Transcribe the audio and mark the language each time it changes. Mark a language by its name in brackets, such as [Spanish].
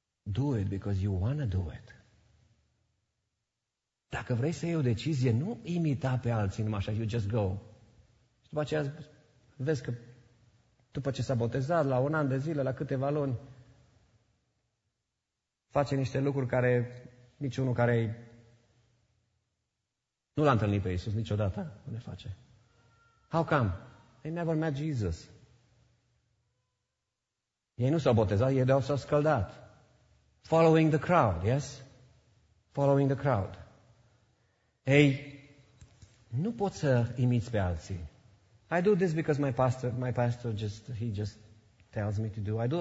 [English] Do it because you want to do it. [Romanian] Dacă vrei să iei o decizie, nu imita pe alții numai așa, [English] you just go. [Romanian] Și după aceea vezi că după ce s-a botezat la un an de zile, la câteva luni, face niște lucruri care niciunul care nu l-a întâlnit pe Iisus niciodată, nu le face. [English] How come? They never met Jesus. [Romanian] Ei nu s-au botezat, ei doar s-au scăldat. [English] Following the crowd, yes? Following the crowd. [Romanian] Ei, nu poți să imiți pe alții. [English] I do this because my pastor just, he just tells me to do.